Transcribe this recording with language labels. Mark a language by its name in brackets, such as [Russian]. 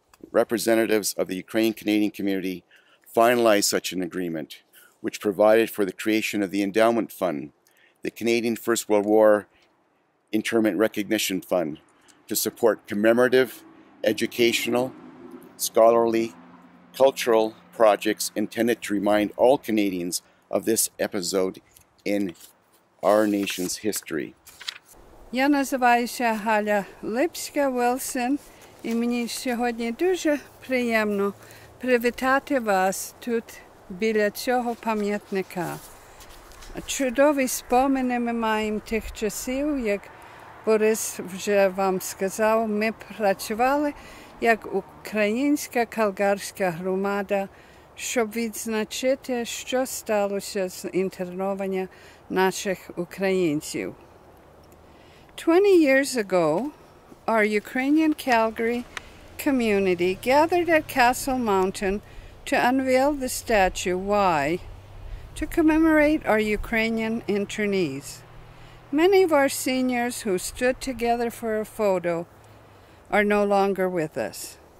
[English] representatives of the Ukrainian-Canadian community finalized such an agreement, which provided for the creation of the Endowment Fund, the Canadian First World War Internment Recognition Fund, to support commemorative, educational, scholarly, cultural projects intended to remind all Canadians of this episode in our nation's history. [Ukrainian] Я називаюся Галя Липська-Вілсон, і мені сьогодні дуже приємно привітати вас тут біля цього пам'ятника. Чудові спомини ми маємо тих часів, як Борис вже вам сказав, ми працювали як українська калгарська громада, щоб відзначити, що сталося з інтернування наших українців. [English] 20 years ago, our Ukrainian Calgary community gathered at Castle Mountain to unveil the statue Y to commemorate our Ukrainian internees. Many of our seniors who stood together for a photo are no longer with us.